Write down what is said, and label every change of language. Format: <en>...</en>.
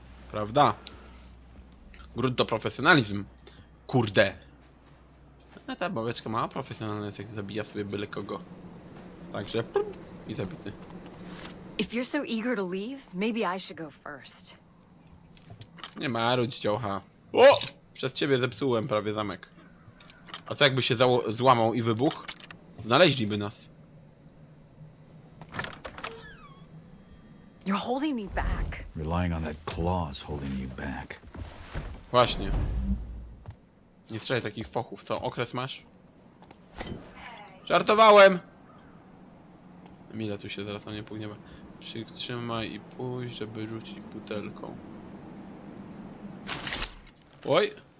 <pl>Prawda? Grunt to profesjonalizm. Kurde. A ta babeczka ma profesjonalność, jak zabija sobie byle kogo. Także prum, i zabity.</pl> <en>If you're so eager to leave, maybe I should go first.</en> <pl>Nie marudź, ciocha. O! Przez ciebie zepsułem prawie zamek. A co jakby się złamał i wybuchł? Znaleźliby nas.</pl> <en>You're holding me back. Relying on that claw is holding you back.</en> <pl>Właśnie. Nie strzelaj takich fochów, co? Okres masz? Żartowałem! Emilia tu się zaraz na mnie pogniewa. Przytrzymaj i pójdź, żeby rzucić butelką. Oj!</pl>